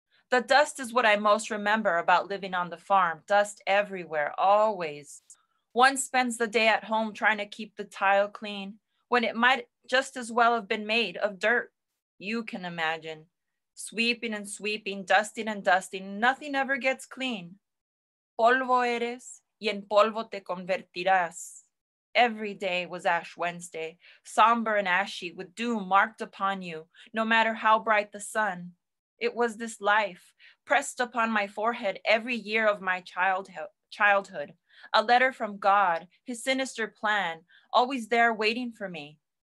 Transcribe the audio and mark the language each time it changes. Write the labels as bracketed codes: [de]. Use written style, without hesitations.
[en] The dust is what I most remember about living on the farm. Dust everywhere, always. One spends the day at home trying to keep the tile clean when it might just as well have been made of dirt. You can imagine. Sweeping and sweeping, dusting and dusting, nothing ever gets clean. [es] Polvo eres y en polvo te convertirás. [en] Every day was Ash Wednesday, somber and ashy, with doom marked upon you, no matter how bright the sun. It was this life, pressed upon my forehead every year of my childhood, a letter from God, his sinister plan, always there waiting for me.